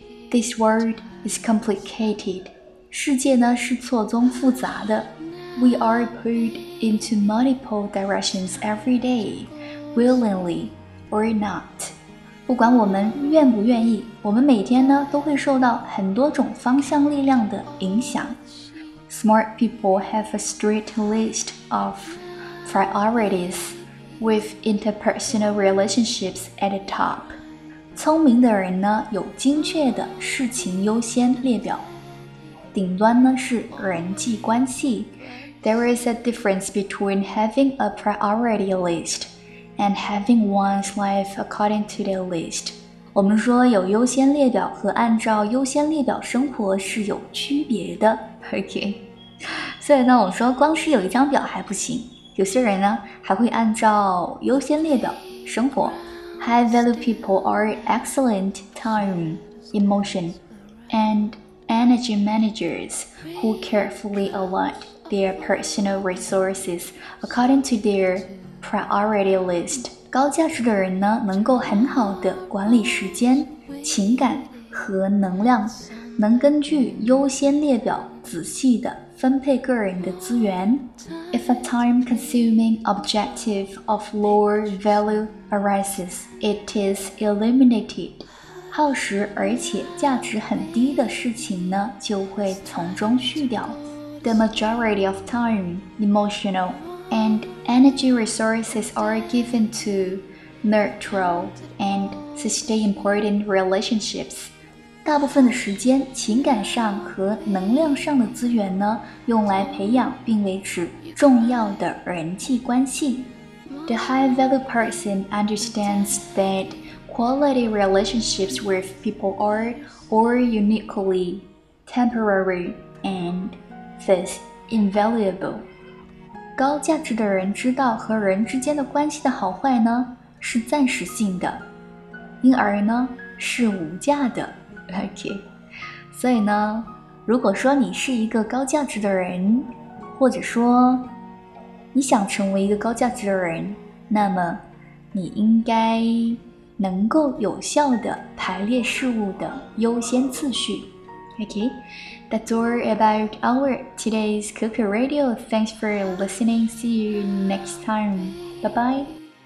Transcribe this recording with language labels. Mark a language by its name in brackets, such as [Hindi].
[English] This world is complicated. [Chinese] 世界呢是错综复杂的。 [English] We are put into multiple directions every day, willingly or not. [Chinese] 不管我们愿不愿意，我们每天呢都会受到很多种方向力量的影响。 [English] Smart people have a strict list of priorities with interpersonal relationships at the top. [Chinese] 聪明的人呢有精确的事情优先列表，顶端呢是人际关系。 [English] There is a difference between having a priority list. And having one's life according to the list. [Chinese] 我们说有优先列表和按照优先列表生活是有区别的。 [English] OK. [Chinese] 所以呢我说光是有一张表还不行。有些人呢还会按照优先列表生活。 [English] High value people are excellent time, emotion, and energy managers who carefully align their personal resources according to their priority list. [Chinese] 高价值的人呢能够很好的管理时间、情感和能量，能根据优先列表仔细的分配个人的资源。 [English] If a time-consuming objective of lower value arises, it is eliminated. [Chinese] 耗时而且价值很低的事情呢就会从中去掉。 [English] The majority of time, emotionalAnd energy resources are given to nurture and sustain important relationships. [Chinese] 大部分的时间，情感上和能量上的资源呢，用来培养并维持重要的人际关系。 [English] The high value person understands that quality relationships with people are all uniquely temporary and thus invaluable. [Chinese] 高价值的人知道和人之间的关系的好坏呢是暂时性的，因而呢是无价的。 OK， 所以呢如果说你是一个高价值的人，或者说你想成为一个高价值的人，那么你应该能够有效的排列事物的优先次序。 [English] Okay, that's all about our today's Coco Radio. Thanks for listening. See you next time. Bye-bye.